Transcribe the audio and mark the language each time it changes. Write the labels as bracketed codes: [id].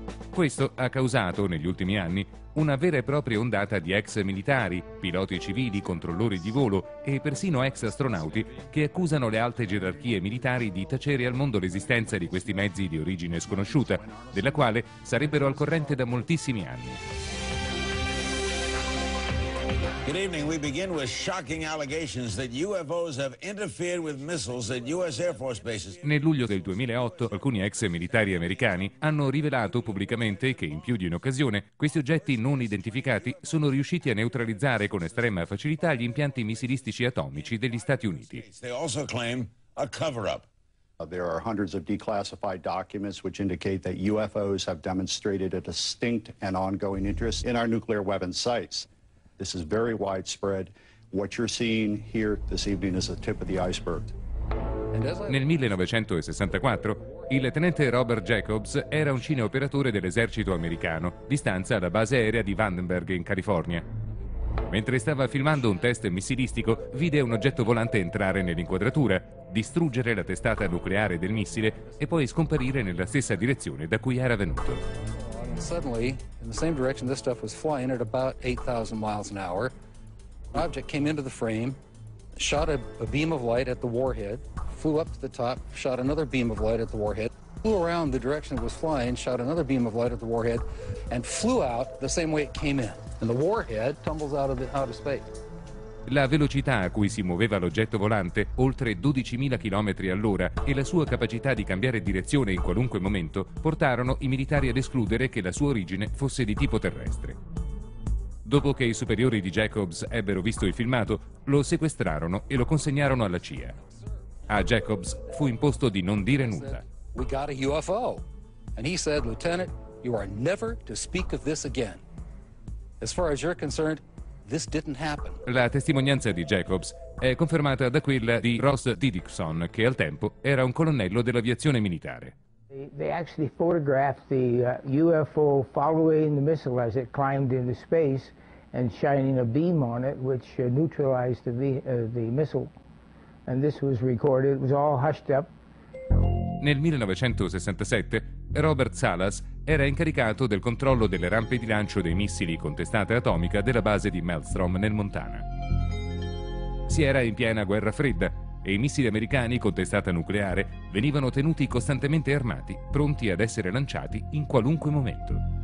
[it] Questo ha causato, negli ultimi anni, una vera e propria ondata di ex militari, piloti civili, controllori di volo e persino ex astronauti che accusano le alte gerarchie militari di tacere al mondo l'esistenza di questi mezzi di origine sconosciuta, della quale sarebbero al corrente da moltissimi anni. [en] Good evening. We begin with shocking allegations that UFOs have interfered with missiles at US Air Force bases. [it] Nel luglio del 2008, alcuni ex militari americani hanno rivelato pubblicamente che in più di un'occasione questi oggetti non identificati sono riusciti a neutralizzare con estrema facilità gli impianti missilistici atomici degli Stati Uniti. [en] They also claim a cover-up. There are hundreds of declassified documents which indicate that UFOs have demonstrated a distinct and ongoing interest in our nuclear weapons sites. This is very widespread. What you're seeing here this evening is the tip of the iceberg. [it] Nel 1964, il tenente Robert Jacobs era un cineoperatore dell'esercito americano, di stanza alla base aerea di Vandenberg in California. Mentre stava filmando un test missilistico, vide un oggetto volante entrare nell'inquadratura, distruggere la testata nucleare del missile e poi scomparire nella stessa direzione da cui era venuto. [en] Suddenly, in the same direction this stuff was flying at about 8,000 miles an hour, an object came into the frame, shot a beam of light at the warhead, flew up to the top, shot another beam of light at the warhead, flew around the direction it was flying, shot another beam of light at the warhead, and flew out the same way it came in. And the warhead tumbles out of space. [it] La velocità a cui si muoveva l'oggetto volante, oltre 12.000 km all'ora, e la sua capacità di cambiare direzione in qualunque momento, portarono i militari ad escludere che la sua origine fosse di tipo terrestre. Dopo che i superiori di Jacobs ebbero visto il filmato, lo sequestrarono e lo consegnarono alla CIA. A Jacobs fu imposto di non dire nulla. [en] We got a UFO. And he said, Lieutenant, you are never to speak of this again. As far as you're concerned, this didn't happen. [it] La testimonianza di Jacobs è confermata da quella di Ross Didikson, che al tempo era un colonnello dell'aviazione militare. [en] They actually photographed the UFO following the missile as it climbed into space and shining a beam on it, which neutralized the missile. And this was recorded. It was all hushed up. [it] Nel 1967, Robert Salas era incaricato del controllo delle rampe di lancio dei missili con testata atomica della base di Maelstrom nel Montana. Si era in piena guerra fredda e i missili americani con testata nucleare venivano tenuti costantemente armati, pronti ad essere lanciati in qualunque momento.